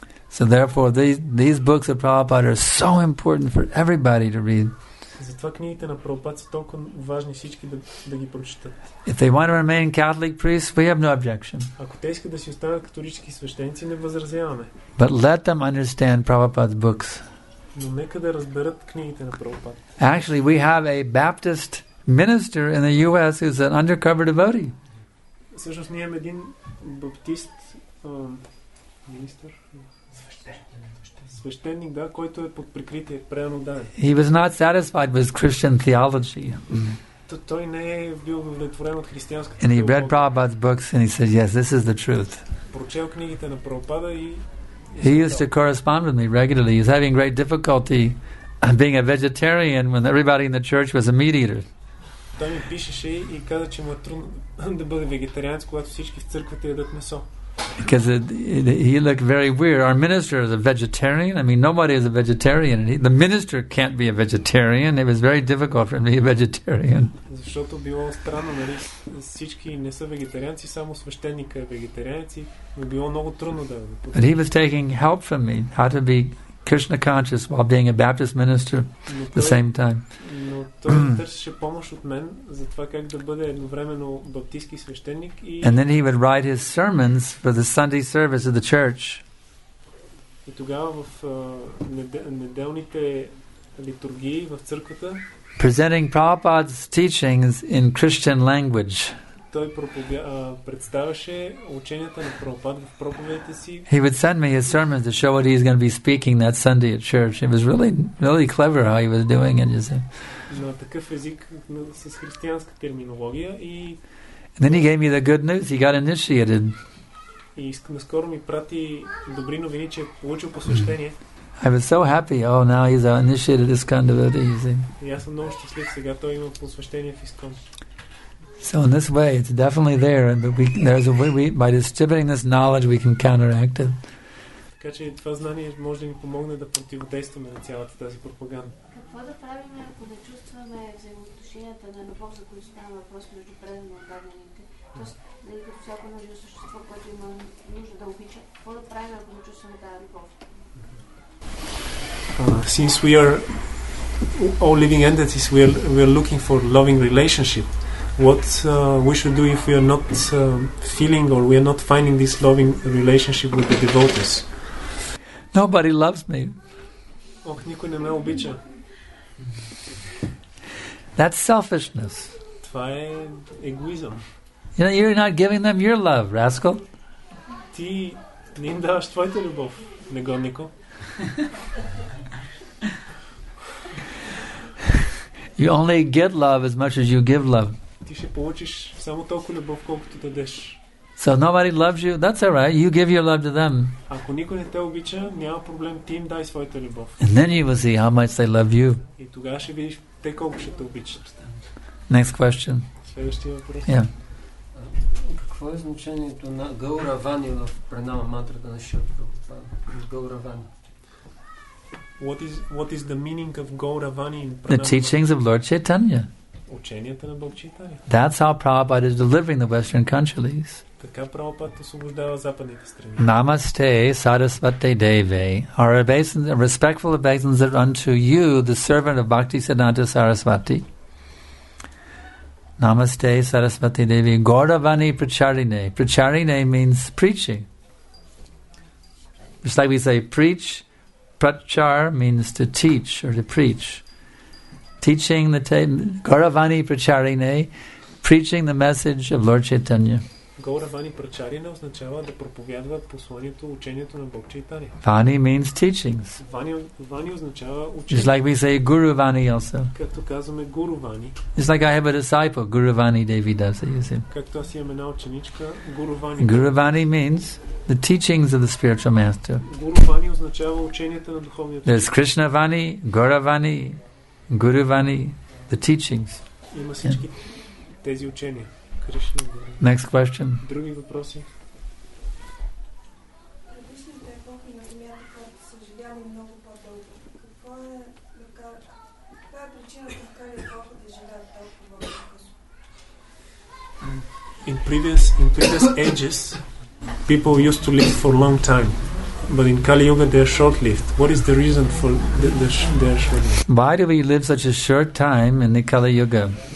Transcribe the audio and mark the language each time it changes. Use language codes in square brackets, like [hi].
[en] So therefore, these books of Prabhupada are so important for everybody to read. [bg] Затова книгите на Прабхупад са толкова важни всички да ги прочитат. [en] If they want to remain Catholic priests, we have no objection. [bg] Ако те искат да си останат католически свещеници, не възразяваме. [en] But let them understand Prabhupada's books. [bg] Но нека да разберат книгите на Прабхупад. [en] Actually, we have a Baptist minister in the US who's an undercover devotee. [bg] Всъщност ние имаме един баптист министър. Свещеник, да, който е под прикритие, преано да. [en] He was not satisfied with Christian theology. [bg] Той не е бил удовлетворен от християнската теология. [en] And he read Prabhupada's books and he said, "Yes, this is the truth." [bg] Прочел книгите на Прабхупада и [en] He used to correspond with me regularly. He was having great difficulty being a vegetarian when everybody in the church was a meat eater. [bg] Той ми пишеше и каза, че му е трудно да бъде вегетарианец, когато всички в църквата ядат месо. [en] Because he looked very weird. Our minister is a vegetarian. I mean, nobody is a vegetarian. The minister can't be a vegetarian. It was very difficult for him to be a vegetarian. [bg] Защото било странно, нали? Всички не са вегетарианци, само свещеникът е вегетарианец. Било много трудно да. [en] But he was taking help from me, how to be Krishna conscious while being a Baptist minister at the same time. [bg] Но той търсеше помощ от мен за това как да бъде едновременно баптистки свещеник и [en] And then he would write his sermons for the Sunday service of the church. [bg] И тогава в неделните литургии в църквата [en] presenting Prabhupada's teachings in Christian language. [bg] Той представяше ученията на Прабхупад в проповедите си. [en] He would send me his sermons to show what he's going to be speaking that Sunday at church. It was really, really clever how he was doing it. [bg] На такъв език с християнска терминология и [en] And then he gave me the good news. He got initiated. [bg] И наскоро ми прати добри новини, че е получил посвещение. [en] I was so happy. Oh, now he's initiated this kind of thing. [bg] И аз съм много щастлив сега. Той има посвещение в ИСКОН. [en] So in this way, it's definitely there, and there's a way by distributing this knowledge, we can counteract it. [bg] Така че това знание може да ни помогне да противодействаме на цялата тази пропаганда. Какво да правим, ако не чувстваме взаимоотношенията на любов, за които става въпрос между предно отдадените? Тоест, дали като всяко нужно същество, което има нужда да обича, какво да правим, ако не чувстваме тази любов? [en] Since we are all living entities, we are looking for loving relationship. What we should do if we are not feeling or we are not finding this loving relationship with the devotees? Nobody loves me. [bg] Ох, никой не ме обича. [en] That's selfishness. [bg] Това е егоизъм. [en] You know, you're not giving them your love, rascal. [bg] Ти не им даваш твоята любов, негоднико. [en] You only get love as much as you give love. [bg] Ти ще получиш само толкова любов, колкото дадеш. [en] So nobody loves you, that's all right. You give your love to them. [bg] Ако никой не те обича, няма проблем, ти им дай своята любов. [en] And then you will see how much they love you. [bg] И тогава ще видиш те колко ще те обичат. [en] Next question. [bg] Следващия въпрос. [en] Yeah. [bg] Какво е значението на Гауравани в пренама мантрата на Шрила Прабхупада? Гауравани. [en] What is the meaning of Гауравани in pranama? The teachings of Lord Chaitanya. [bg] Ученията на Бог Чайтанья. [en] That's how Prabhupada is delivering the Western countries. [bg] Така Прабхупада освобождава западните страни. [en] Namaste, Sarasvate Deve. Our obeisance, respectful obeisance unto you, the servant of Bhakti Siddhanta Sarasvati. Namaste, Sarasvate Deve. Gauravani Pracharine. Pracharine means preaching. Just like we say preach, Prachar means to teach or to preach. Teaching the Gauravani Pracharine, preaching the message of Lord Chaitanya. [bg] Gauravani Pracharine означава да проповядва посланието, учението на Бог Чайтанья. [en] Vani means teachings. [bg] Vani означава учение. [en] It's like we say Guru Vani also. [bg] Както казваме Guru Vani. [en] It's like I have a disciple, Guru Vani Devi Dasa, you see. [bg] Както аз имам една ученичка, [en] Guru Vani. Guru Vani means the teachings of the spiritual master. [bg] Guru Vani означава ученията на духовния учител. [en] There's Krishna Vani, Gauravani, Guru Vani, the teachings. [bg] Има всички тези учения. Кришна Гуру. [en] Next question. [bg] Други въпроси. Различните епохи на земята, които са живяли много по-дълго. Каква е причината в кали епоха да живеят толкова по-късно? [en] In previous ages, people used to live for long time. But in Kali Yuga, they are short-lived. What is the reason for their short-lived? Why do we live such a short time in the Kali Yuga?